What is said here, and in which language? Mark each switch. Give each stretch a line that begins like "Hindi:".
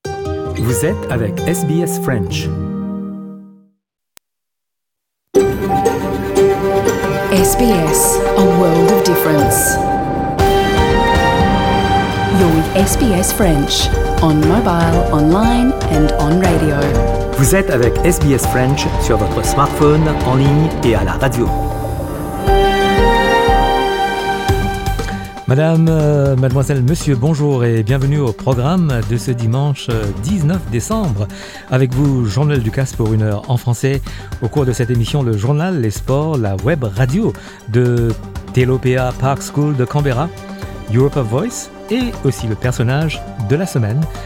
French: Vous êtes avec SBS French.
English: SBS, a world of difference. You're with SBS French, on mobile, online and on radio.
French: Vous êtes avec SBS French sur votre smartphone, en ligne et à la radio. Madame, mademoiselle, monsieur, bonjour et bienvenue au programme de ce dimanche 19 décembre. Avec vous, Jean-Noël Ducasse pour une heure en français. Au cours de cette émission, le journal, les sports, la web radio de Telopea Park School de Canberra, Europe of Voice et aussi le personnage de la semaine.